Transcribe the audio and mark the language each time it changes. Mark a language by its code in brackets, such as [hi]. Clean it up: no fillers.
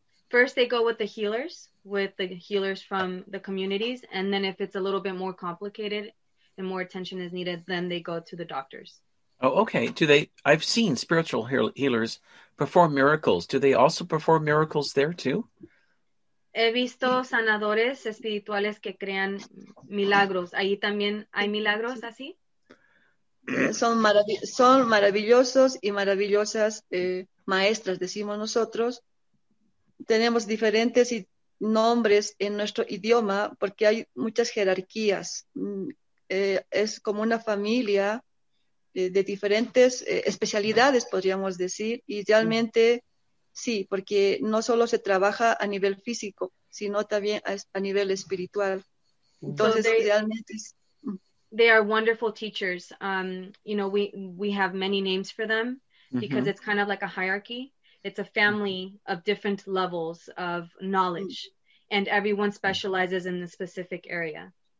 [en] First they go with the healers from the communities, and then if it's a little bit more complicated and more attention is needed, then they go to the doctors. Oh, okay. I've seen spiritual healers perform miracles. Do they also perform miracles there too? [es] He visto sanadores espirituales que crean milagros. ¿Ahí también hay milagros así? Son maravillosos y maravillosas maestras, decimos nosotros. Tenemos diferentes nombres en nuestro idioma porque hay muchas jerarquías. Es como una familia de diferentes especialidades, podríamos decir. Y realmente, sí, porque no solo se trabaja a nivel físico, sino también a nivel espiritual. Entonces, so realmente... [en] They are wonderful teachers. You know, we have many names for them because it's kind of like a hierarchy. It's a family of different levels of knowledge, and everyone specializes in the specific area.